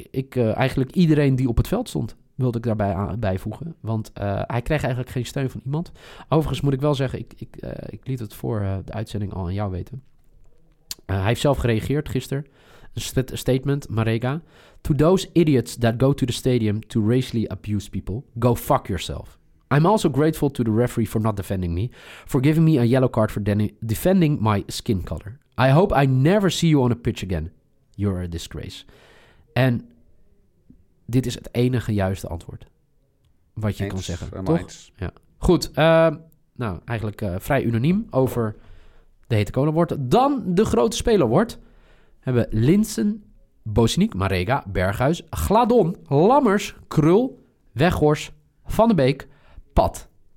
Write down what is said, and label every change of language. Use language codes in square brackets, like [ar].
[nl] Eigenlijk iedereen die op het veld stond, wilde ik daarbij bijvoegen. Want hij kreeg eigenlijk geen steun van iemand. Overigens moet ik wel zeggen, ik liet het voor de uitzending al aan jou weten. Hij heeft zelf gereageerd gisteren. Een statement, Marega. [en] To those idiots that go to the stadium to racially abuse people, go fuck yourself. I'm also grateful to the referee for not defending me, for giving me a yellow card for defending my skin color. I hope I never see you on a pitch again. You're a disgrace. [nl] En dit is het enige juiste antwoord wat je kan zeggen, toch? Ja. Goed, eigenlijk vrij unaniem over de Hete Kolen wordt. Dan de grote speler wordt. Hebben Linssen, Bozeniek, Marega, Berghuis, Gladon, Lammers, Krul, Weghorst, Van de Beek, Pat.